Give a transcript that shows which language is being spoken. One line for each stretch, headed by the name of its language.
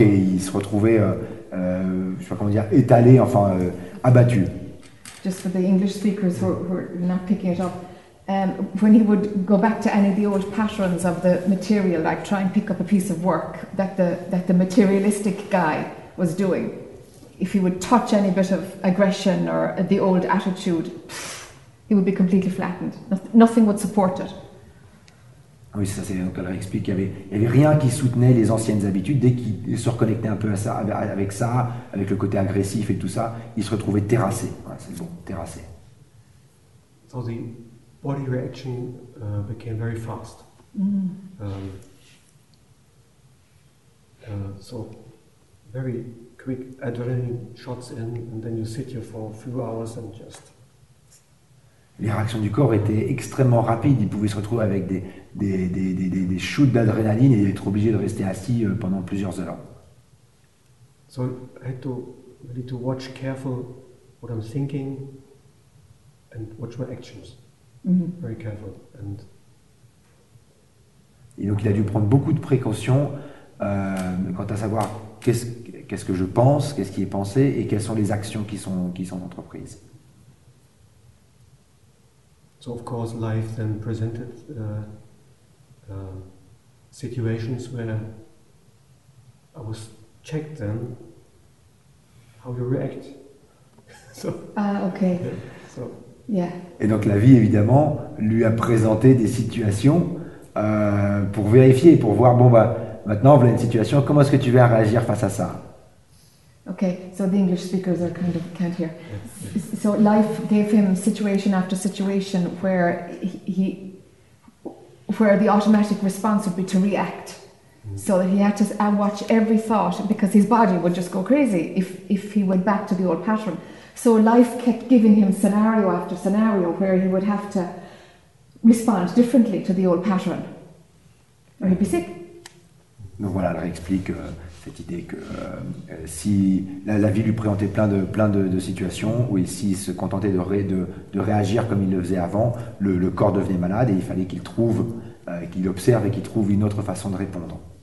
French: Il se retrouvait, je sais pas comment dire, étalé, enfin, abattu.
English: Just for the English speakers who are not picking it up, when he would go back to any of the old patterns of the material, like try and pick up a piece of work that the materialistic guy was doing, if he would touch any bit of aggression or the old attitude, he would be completely flattened. Nothing would support it.
French: Oui, ça c'est donc elle explique qu'il y avait rien qui soutenait les anciennes habitudes. Dès qu'il se reconnectait un peu à ça, avec ça, avec le côté agressif et tout ça, il se retrouvait terrassé. Ouais, c'est bon, terrassé.
English: So the body reaction became very fast. So very quick adrenaline shots in, and then you sit here for a few hours and just.
French: Les réactions du corps étaient extrêmement rapides. Il pouvait se retrouver avec des shoots d'adrénaline et être obligé de rester assis pendant plusieurs heures.
English: So I had to really to watch careful what I'm thinking and watch my actions. Mm-hmm. Very careful. And
French: et donc il a dû prendre beaucoup de précautions quant à savoir qu'est-ce que je pense, qu'est-ce qui est pensé et quelles sont les actions qui sont entreprises.
English: So of course, life then presented situations where I was checked then how you react. So okay. So yeah.
French: Et donc la vie évidemment lui a présenté des situations pour vérifier, pour voir bon bah maintenant voilà une situation, comment est-ce que tu vas réagir face à ça?
English: Okay, so the English speakers are kind of can't hear. So life gave him situation after situation where the automatic response would be to react, so that he had to watch every thought because his body would just go crazy if he went back to the old pattern. So life kept giving him scenario after scenario where he would have to respond differently to the old pattern, or he'd be sick.
French: Donc voilà, elle explique cette idée que si la vie lui présentait plein de situations, ou s'il se contentait de réagir comme il le faisait avant, le corps devenait malade et il fallait qu'il trouve, qu'il observe et qu'il trouve une autre façon de répondre.